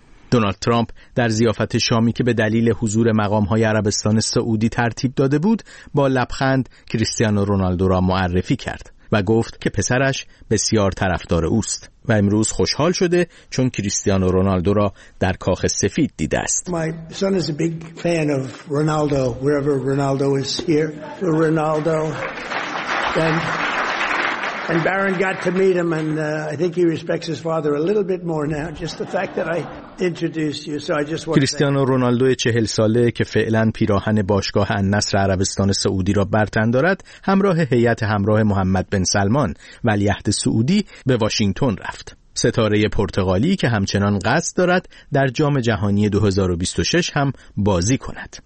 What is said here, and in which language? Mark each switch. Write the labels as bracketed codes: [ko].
[fa] دونالد ترامپ در ضیافت شامی که به دلیل حضور مقام‌های عربستان سعودی ترتیب داده بود، با لبخند کریستیانو رونالدو را معرفی کرد و گفت که پسرش بسیار طرفدار اوست و امروز خوشحال شده چون کریستیانو رونالدو را در کاخ سفید دیده است. [en] My son is a big fan of Ronaldo wherever Ronaldo is here. For Ronaldo and Baron got to meet him and I think he respects his father a little bit more now just the fact that I introduced you. So I just want [fa] کریستیانو رونالدو 40 ساله که فعلا پیراهن باشگاه النصر عربستان سعودی را بر تن دارد، همراه هیئت همراه محمد بن سلمان ولیعهد سعودی به واشنگتن رفت. ستاره پرتغالی که همچنان قصد دارد در جام جهانی 2026 هم بازی کند.